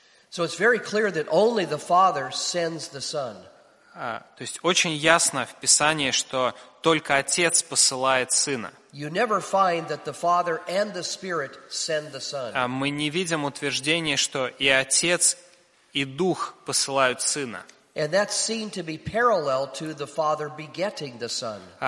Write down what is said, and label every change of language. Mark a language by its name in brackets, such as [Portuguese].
[English] So it's very clear that only the Father sends the Son. [Russian] То есть очень ясно в Писании, что только Отец посылает Сына. [English] You never find that the Father and the Spirit send the Son. [Russian] Мы не видим утверждения, что и Отец, и Дух посылают Сына. [English] And that's seen to be parallel to the Father begetting the Son.